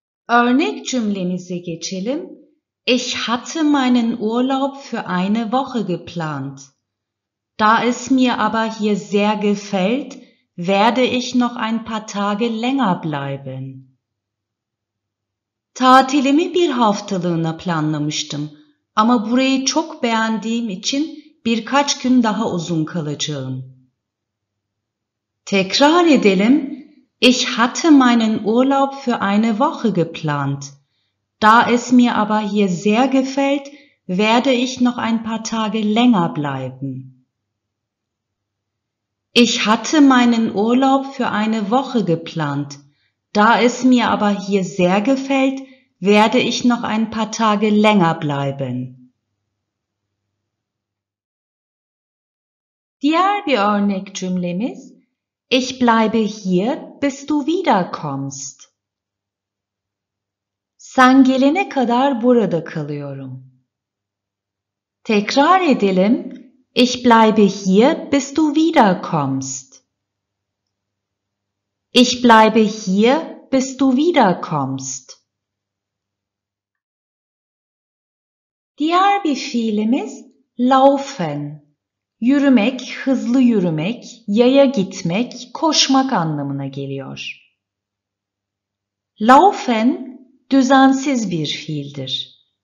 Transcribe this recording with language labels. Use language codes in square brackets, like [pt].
[tr] Örnek cümlemize geçelim. [de] Ich hatte meinen Urlaub für eine Woche geplant. Da es mir aber hier sehr gefällt, werde ich noch ein paar Tage länger bleiben. [tr] Tatilimi bir haftalığına planlamıştım ama burayı çok beğendiğim için birkaç gün daha uzun kalacağım. Tekrar edelim. [de] Ich hatte meinen Urlaub für eine Woche geplant. Da es mir aber hier sehr gefällt, werde ich noch ein paar Tage länger bleiben. Ich hatte meinen Urlaub für eine Woche geplant. Da es mir aber hier sehr gefällt, werde ich noch ein paar Tage länger bleiben. Diabionik Jumlemis, ich bleibe hier, bis du wiederkommst. [tr] Sen gelene kadar burada kalıyorum. Tekrar edelim. [de] Ich bleibe hier, bis du wiederkommst. Ich bleibe hier, bis du wiederkommst. [tr] Diğer bir fiilimiz laufen. Yürümek, hızlı yürümek, yaya gitmek, koşmak anlamına geliyor. Laufen düzensiz bir fiildir.